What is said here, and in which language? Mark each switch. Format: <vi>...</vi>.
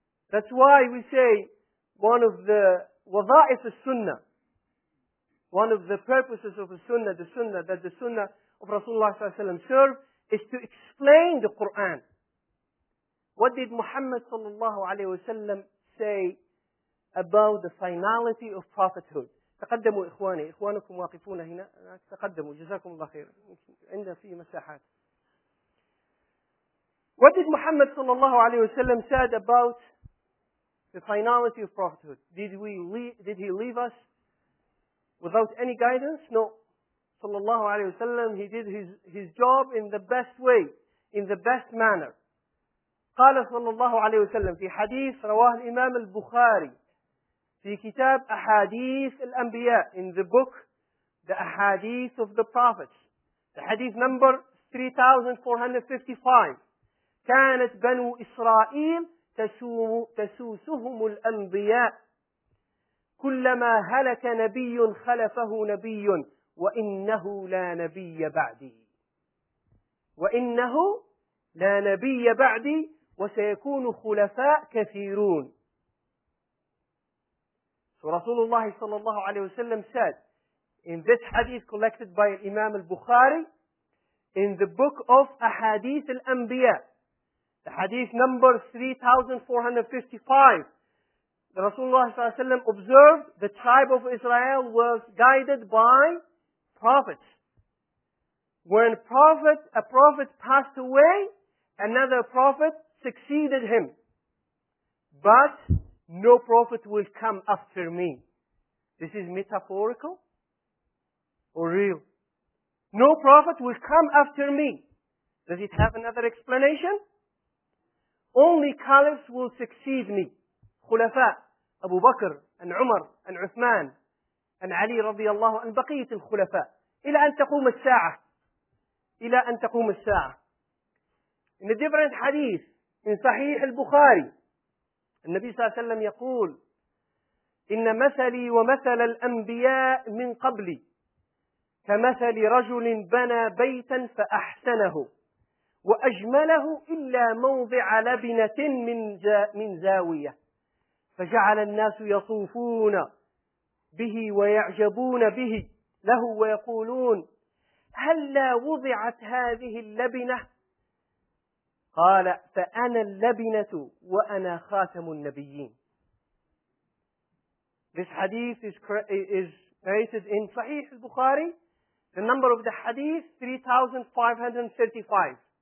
<en>That's why we say one of the wada'if al-sunnah, one of the purposes of the sunnah, that the sunnah of Rasulullah ﷺ served, is to explain the Qur'an. What did Muhammad ﷺ say about the finality of prophethood?</en> <ar>تقدموا إخواني, إخوانكم واقفون هنا, تقدموا, جزاكم الله خير, عندنا في مساحات.</ar> <en>What did Muhammad ﷺ said about the finality of prophethood. Did he leave us without any guidance? No. Sallallahu alayhi wa sallam, he did his job in the best way, in the best manner.</en> <ar>قال صلى الله عليه وسلم في حديث رواه الإمام البخاري في كتاب أحاديث الأنبياء,</ar> <en>in the book The Ahadith of the Prophets, the hadith number 3455.</en> <ar>كانت بنو إسرائيل تسوسهم الأنبياء كلما هلك نبي خلفه نبي وإنه لا نبي بعدي وإنه لا نبي بعدي وسيكون خلفاء كثيرون.</ar> <en>So Rasulullah sallallahu alayhi wa sallam said in this hadith collected by Imam al-Bukhari in the book of Ahadith al-Anbiya, the hadith number 3455, Rasulullah sallallahu alayhi wa sallam observed the tribe of Israel was guided by prophets. When a prophet passed away, another prophet succeeded him. But no prophet will come after me. This is metaphorical or real? No prophet will come after me. Does it have another explanation? Only caliphs will succeed me. Khulafa, Abu Bakr, and Umar, and Uthman, and Ali radiallahu, and baqiyat al-khulafa.</en> <ar>إلى أن تقوم الساعة. إلى أن تقوم الساعة.</ar> <en>In a different hadith, in Sahih al-Bukhari,</en> <ar>النبي صلى الله عليه وسلم يقول, إن مثلي ومثل الأنبياء من قبلي كمثل رجل بنى بيتا فأحسنه وأجمله إلا موضع لبنة من زاوية فجعل الناس يطوفون به ويعجبون به له ويقولون هلا وضعت هذه اللبنة؟ قال فأنا اللبنة وأنا خاتم النبيين.</ar> <en>This hadith is narrated in Sahih al-Bukhari. The number of the hadith, 3535.</en>